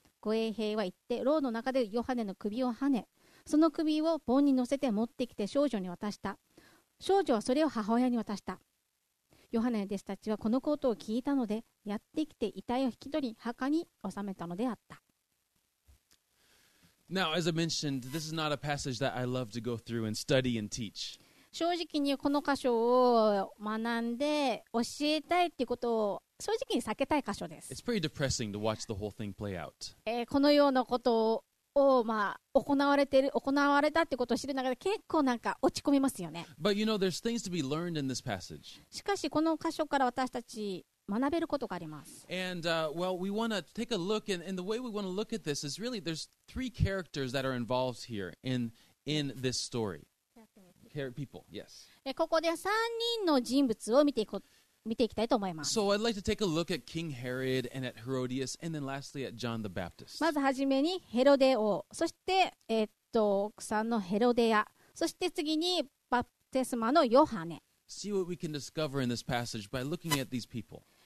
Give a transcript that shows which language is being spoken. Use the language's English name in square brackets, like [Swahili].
[Japanese] 護衛兵は行って牢の中でヨハネの首をはね、その首を棒に乗せて持ってきて少女に渡した。少女はそれを母親に渡した。ヨハネの弟子たちはこのことを聞いたので、やってきて遺体を引き取り墓に納めたのであった。 [English] Now, as I mentioned, this is not a passage that I love to go through and study and teach. [Japanese] 正直にこの箇所を学んで教えたいっていうことを正直に避けたい箇所です。 [English] It's pretty depressing to watch the whole thing play out. [Japanese] このようなことを、まあ、行われたっていうことを知る中で結構なんか落ち込みますよね。 [English] But you know, there's things to be learned in this passage. [Japanese] しかしこの箇所から私たち学べることがあります。 [English] And、well, we want to take a look and the way we want to look at this is really there's three characters that are involved here in this story. People, yes. [Japanese] ここで3人の人物を見ていきたいと思います。 [English] So I'd like to take a look at King Herod and at Herodias and then lastly at John the Baptist. [Japanese] まずはじめにヘロデ王、そして奥さんのヘロデア、そして次にバプテスマのヨハネ。 [English] See what we can discover in this passage by looking at these people.